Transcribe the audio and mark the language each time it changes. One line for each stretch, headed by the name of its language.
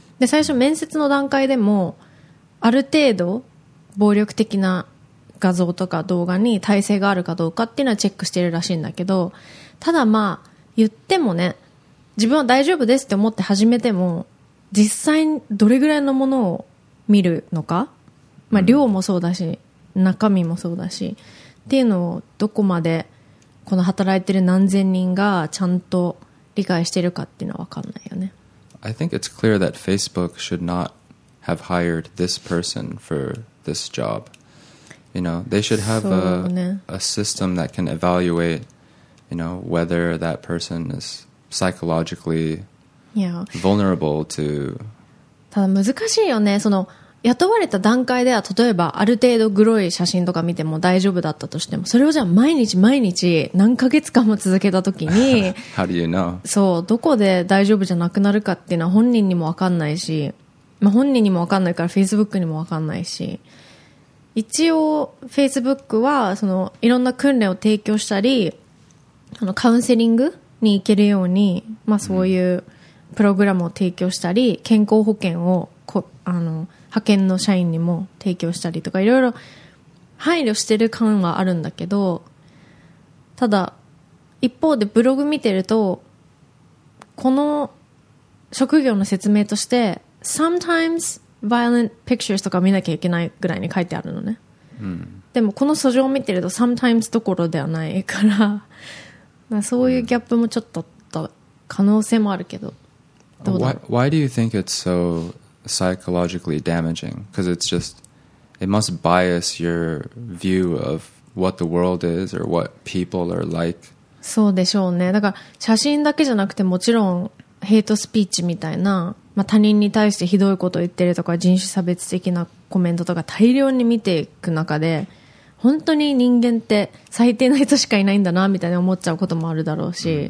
Japanese: で、最初面接の段階でもある程度暴力的な画像とか動画に耐性があるかどうかっていうのはチェックしてるらしいんだけど、ただまあ言ってもね、自分は大丈夫ですって思って始めても、実際にどれぐらいのものを見るのか、まあ量もそうだし、中身もそうだしっていうのを、どこまでこの働いてる何千人がちゃんと理解してるかっていうのは分かんないよね。
English: I think it's clear that Facebook should not have hired this person for this job. You know, they should have a system that can evaluate, you know, whether that person is psychologically vulnerable to.
Japanese: ただ難しいよね。その雇われた段階では、例えばある程度グロい写真とか見ても大丈夫だったとしても、それをじゃあ毎日毎日何ヶ月間も続けた時に
English: How do you know?
Japanese: そう、どこで大丈夫じゃなくなるかっていうのは本人にも分かんないし、まあ、本人にも分かんないから Facebook にも分かんないし、一応 Facebook はそのいろんな訓練を提供したり、あのカウンセリングに行けるように、まあ、そういうプログラムを提供したり、健康保険をこ、あの派遣の社員にも提供したりとか、いろいろ配慮してる感はあるんだけど、ただ一方でブログ見てると、この職業の説明として
English: Sometimes violent pictures
Japanese: とか見なきゃいけないぐらいに書いてあるのね。でもこの訴状を見てると sometimes どころではないからそういうギャップもちょっとあった可能性もあるけど、どうだ
English: why do you think it's so psychologically damaging? Because it's just it must bias your view of what the world is or what people are like.
Japanese: そうでしょうね。だから写真だけじゃなくてもちろんヘイトスピーチみたいな、まあ、他人に対してひどいことを言ってるとか人種差別的なコメントとか大量に見ていく中で本当に人間って最低な人しかいないんだなみたいに思っちゃうこともあるだろうし、